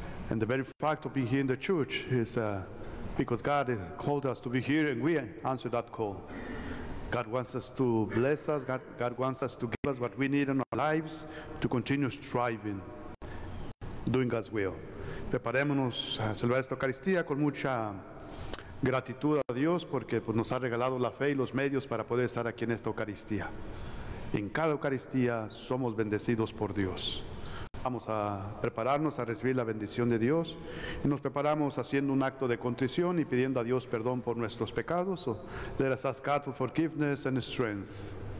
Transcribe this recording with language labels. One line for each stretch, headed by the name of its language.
English: And the very fact of being here in the church is because God called us to be here, and we answer that call. God wants us to bless us. God wants us to give us what we need in our lives to continue striving, doing God's will.
Spanish: Preparémonos a celebrar esta Eucaristía con mucha gratitud a Dios porque pues, nos ha regalado la fe y los medios para poder estar aquí en esta Eucaristía. En cada Eucaristía somos bendecidos por Dios. Vamos a prepararnos a recibir la bendición de Dios. Y nos preparamos haciendo un acto de contrición y pidiendo a Dios perdón por nuestros pecados.
English: So, let us ask God for forgiveness and strength.